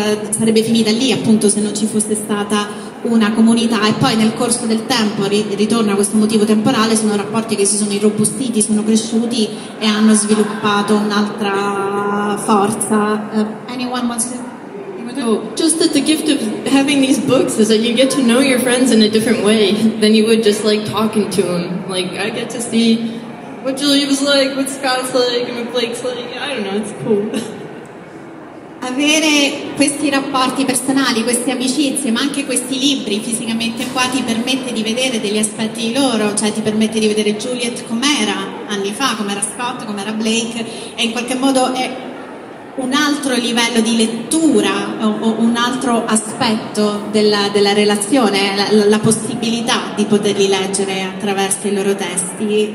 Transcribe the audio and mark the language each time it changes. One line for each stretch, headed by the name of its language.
Italian: sarebbe finita lì, appunto, se non ci fosse stata una comunità, e poi nel corso del tempo, ritorno a questo motivo temporale, sono rapporti che si sono irrobustiti, sono cresciuti e hanno sviluppato un'altra forza.
English: Anyone wants to? No, just that the gift of having these books is that you get to know your friends in a different way than you would just like talking to them. Like, I get to see what Julie was like, what Scott's like, and what Blake's like. I don't know, it's cool.
Italian: Avere questi rapporti personali, queste amicizie, ma anche questi libri fisicamente qua, ti permette di vedere degli aspetti di loro, cioè ti permette di vedere Juliet com'era anni fa, com'era Scott, com'era Blake, e in qualche modo è un altro livello di lettura o un altro aspetto della relazione, la possibilità di poterli leggere attraverso i loro testi.